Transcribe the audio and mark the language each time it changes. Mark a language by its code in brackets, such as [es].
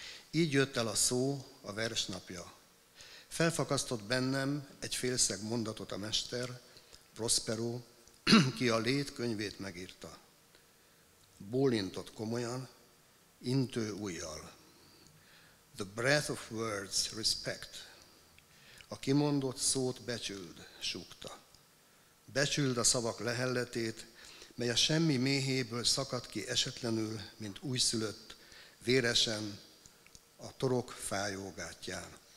[hu] Így jött el a szó, a vers napja. Felfakasztott bennem egy félszeg mondatot a mester, Prospero, ki a lét könyvét megírta. Bólintott komolyan, intő ujjal. [en] The breath of words, respect. [hu] A kimondott szót becsüld, súgta. Becsüld a szavak lehelletét, mely a semmi méhéből szakadt ki esetlenül, mint újszülött, véresen, a torok fájó gátján.